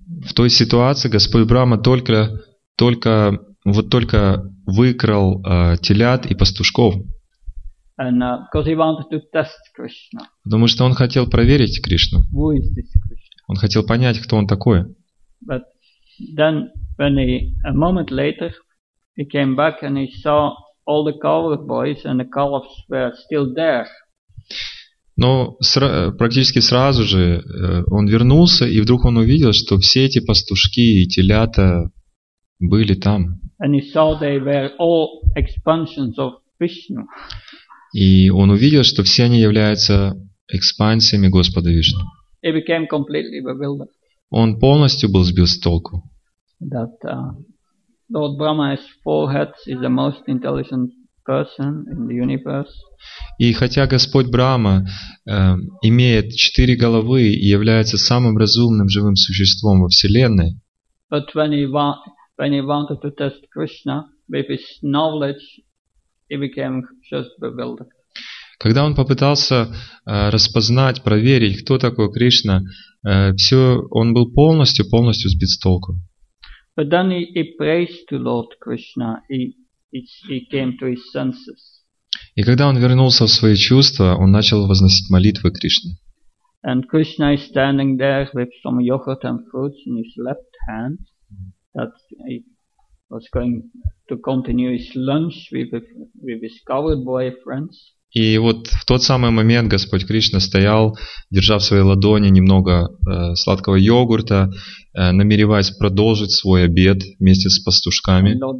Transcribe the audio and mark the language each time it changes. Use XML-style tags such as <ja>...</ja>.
<ru>В той ситуации Господь Брахма только выкрал телят и пастушков.</ru> <en>And, because he wanted to test Krishna.</en> <ru>Потому что он хотел проверить Кришну.</ru> <en>Who is this Krishna?</en> <ru>Он хотел понять, кто он такой.</ru> <en>But then, when he, a moment later, he came back and he saw all the coward boys and the calves were still there.</en> <ru>Но практически сразу же он вернулся, и вдруг он увидел, что все эти пастушки и телята были там.</ru> <en>And he saw they were all expansions of Vishnu.</en> <ru>И он увидел, что все они являются экспансиями Господа Вишну.</ru> <en>He became completely bewildered.</en> <ru>Он полностью был сбит с толку.</ru> <en>That Lord Brahma has 4 heads is the most intelligent person in the universe.</en> <ru>И хотя Господь Брахма имеет 4 головы и является самым разумным живым существом во Вселенной.</ru> <en>But when he wanted to test Krishna with his knowledge, he became just bewildered.</en> <ru>Когда он попытался распознать, проверить, кто такой Кришна, все, он был полностью сбит с толку.</ru> <en>But then he prays to Lord Krishna. He came to his senses.</en> <ru>И когда он вернулся в свои чувства, он начал возносить молитвы Кришне.</ru> <en>And Krishna is standing there with some yogurt and fruits in his left hand, that he was going to continue his lunch with his coward boy friends.</en> <ru>И вот в тот самый момент Господь Кришна стоял, держа в своей ладони немного сладкого йогурта, намереваясь продолжить свой обед вместе с пастушками.</ru>